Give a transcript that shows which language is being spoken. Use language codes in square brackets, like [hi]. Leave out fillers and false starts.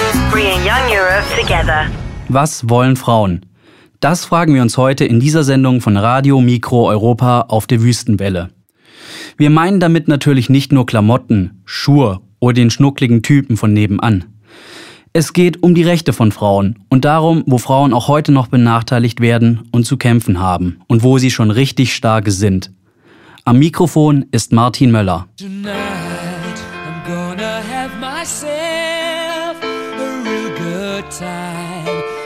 [en] Bringing young Europe together. [de] Was wollen Frauen? Das fragen wir uns heute in dieser Sendung von Radio Micro Europa auf der Wüstenwelle. Wir meinen damit natürlich nicht nur Klamotten, Schuhe oder den schnuckligen Typen von nebenan. Es geht um die Rechte von Frauen und darum, wo Frauen auch heute noch benachteiligt werden und zu kämpfen haben und wo sie schon richtig stark sind. Am Mikrofon ist Martin Möller. [en] Tonight I'm gonna have myself a real good time.